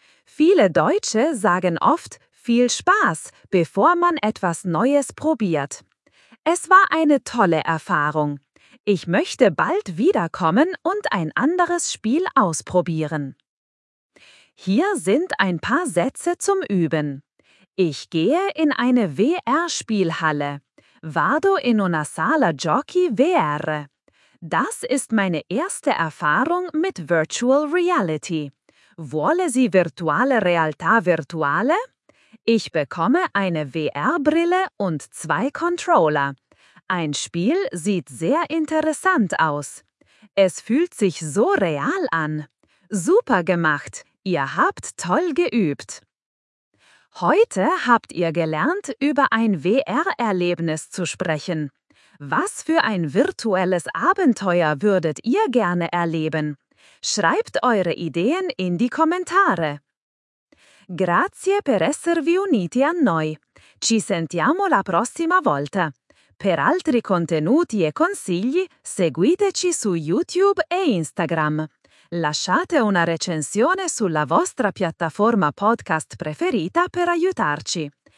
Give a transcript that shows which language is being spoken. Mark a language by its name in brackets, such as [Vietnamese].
[German] Viele Deutsche sagen oft, viel Spaß, bevor man etwas Neues probiert. Es war eine tolle Erfahrung. Ich möchte bald wiederkommen und ein anderes Spiel ausprobieren. Hier sind ein paar Sätze zum Üben. Ich gehe in eine VR-Spielhalle. [Italian] Vado in una sala giochi VR. [German] Das ist meine erste Erfahrung mit Virtual Reality. [Italian] Vuole si virtuale realtà virtuale? [German] Ich bekomme eine VR-Brille und zwei Controller. Ein Spiel sieht sehr interessant aus. Es fühlt sich so real an. Super gemacht! Ihr habt toll geübt! Heute habt ihr gelernt, über ein VR-Erlebnis zu sprechen. Was für ein virtuelles Abenteuer würdet ihr gerne erleben? Schreibt eure Ideen in die Kommentare! [Italian] Grazie per esservi uniti a noi. Ci sentiamo la prossima volta. Per altri contenuti e consigli, seguiteci su YouTube e Instagram. Lasciate una recensione sulla vostra piattaforma podcast preferita per aiutarci.